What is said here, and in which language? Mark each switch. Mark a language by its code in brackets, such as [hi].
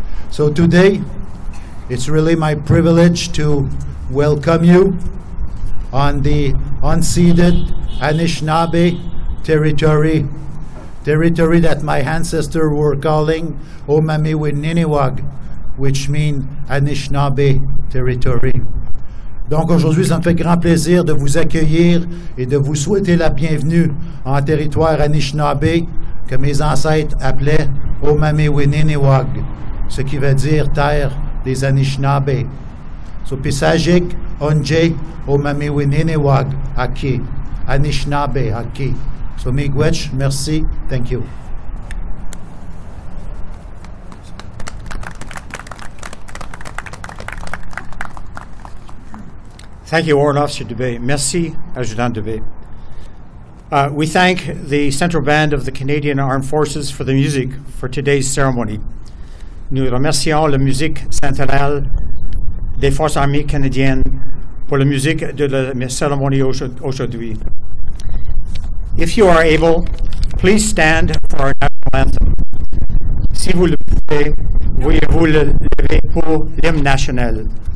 [en] So today, it's really my privilege to welcome you on the unceded Anishinaabe territory that my ancestors were calling Omamiwininiwag, which means Anishinaabe territory. [fr] Donc aujourd'hui, ça me fait grand plaisir de vous accueillir et de vous souhaiter la bienvenue en territoire Anishinaabe, que mes ancêtres appelaient Omamiwininiwag, ce qui veut dire terre des Anishinaabe. [oj] So Pisagic Onje Omamiwininiwag Aki, Anishinaabe Aki. [en] So Miigwech, [fr] merci, [en] thank you. Thank you, Warrant Officer Dubé. [fr] Merci, Adjutant Dubé. [en] We thank the Central Band of the Canadian Armed Forces for the music for today's ceremony. [fr] Nous remercions la musique centrale des Forces Armées Canadiennes pour la musique de la cérémonie aujourd'hui. [en] If you are able, please stand for our national anthem. [fr] Si vous le pouvez, veuillez-vous le lever pour l'hymne national.